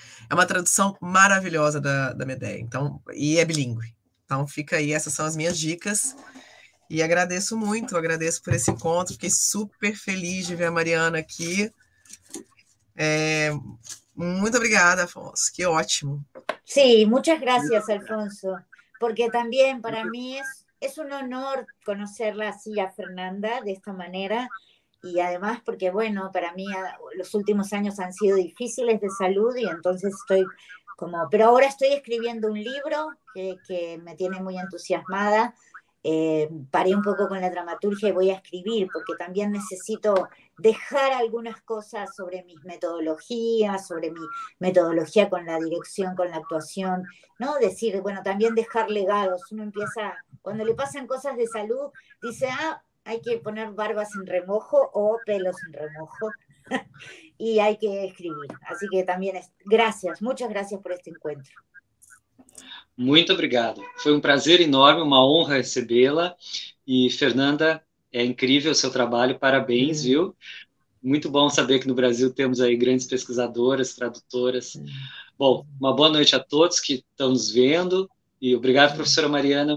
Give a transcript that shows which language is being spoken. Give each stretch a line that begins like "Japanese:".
Portuguese: É uma tradução maravilhosa da Medeia, então, e é bilíngue. Então fica aí, essas são as minhas dicas. E agradeço muito, agradeço por esse encontro. Fiquei super feliz de ver a Mariana aqui. É, muito obrigada, Afonso. Que ótimo.
Spanish: Sí, muchas gracias, Alfonso, porque también para mí es un honor conocerla así a Fernanda de esta manera y además porque, bueno, para mí los últimos años han sido difíciles de salud y entonces estoy como, pero ahora estoy escribiendo un libro que me tiene muy entusiasmada. Paré un poco con la dramaturgia y voy a escribir porque también necesito dejar algunas cosas sobre mis metodologías, sobre mi metodología con la dirección, con la actuación, ¿no? Decir, bueno, también dejar legados. Uno empieza, cuando le pasan cosas de salud, dice, ah, hay que poner barbas en remojo o pelos en remojo y hay que escribir. Así que también es, gracias, muchas gracias por este encuentro.
Portuguese: Muito obrigado. Foi um prazer enorme, uma honra recebê-la. E Fernanda, é incrível o seu trabalho, parabéns, viu? Muito bom saber que no Brasil temos aí grandes pesquisadoras, tradutoras. Bom, uma boa noite a todos que estão nos vendo. E obrigado, professora Mariana.